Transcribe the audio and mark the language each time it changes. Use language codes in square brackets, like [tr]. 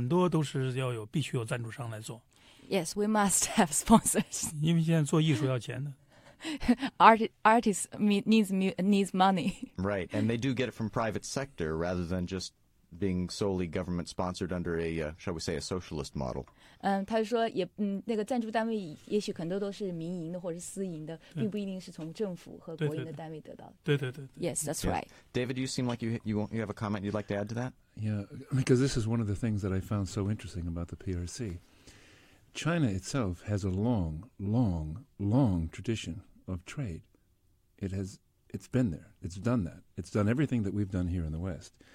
[zh] 他说有赞助单位赞助音乐家、艺术家去做他们去拍他们的作品。他说这是一个很西方的想法，西方的做法。他说在中国这个是不是也很普通、很流行的一种想法？对对对，现在很多都是要有必须有赞助商来做。 [en] Yes, we must have sponsors. [zh] 因为现在做艺术要钱的。 [en] Artists needs money. Right, and they do get it from private sector rather than just being solely government-sponsored under a, shall we say, a socialist model. [zh] 他说也，那个赞助单位也许很多都是民营的或者是私营的，并不一定是从政府和国营的单位得到的。对对对。 [en] Yes, that's right. David, you seem like you have a comment you'd like to add to that? Yeah, because this is one of the things that I found so interesting about the PRC. China itself has a long, long, long tradition of trade. It's been there. It's done that. It's done everything that we've done here in the West.